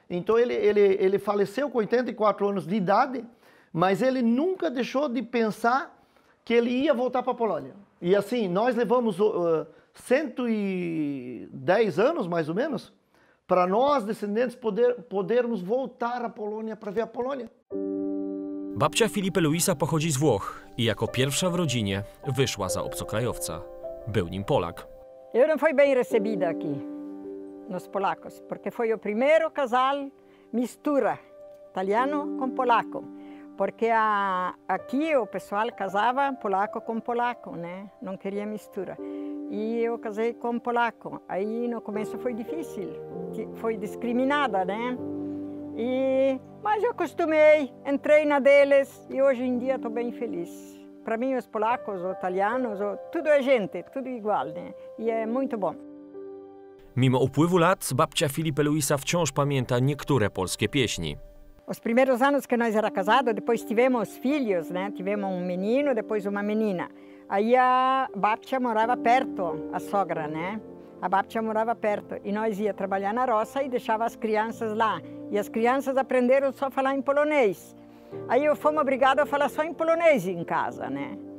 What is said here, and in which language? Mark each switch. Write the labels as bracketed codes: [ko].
[pt] Então ele faleceu com 84 anos de idade, mas ele nunca deixou de pensar que ele ia voltar para a Polônia. E assim, nós levamos 110 anos, mais ou menos, para nós, descendentes, podermos voltar à Polônia para ver a Polônia. [pl] Babcia Filipe Luisa pochodzi z Włoch i jako pierwsza w rodzinie wyszła za obcokrajowca. Był nim Polak. [pt] Eu não fui bem recebida aqui nos polacos, porque foi o primeiro casal mistura, italiano com polaco. Porque aqui o pessoal casava polaco com polaco, né? Não queria mistura. E eu casei com polaco. Aí no começo foi difícil, foi discriminada, né? Mas eu acostumei, entrei na deles e hoje em dia estou bem feliz. Para mim, os polacos, os italianos, tudo é gente, tudo igual, né? E é muito bom. [pl] Mimo upływu lat, babcia Filipe Luisa wciąż pamięta niektóre polskie pieśni. [pt] Os primeiros anos que nós era casado, depois tivemos filhos, né? Tivemos um menino, depois uma menina. Aí a babcia morava perto, a sogra, né? A babcia morava perto e nós ia trabalhar na roça e deixava as crianças lá. E as crianças aprenderam só a falar em polonês. Aí eu fomos obrigados a falar só em polonês em casa, né?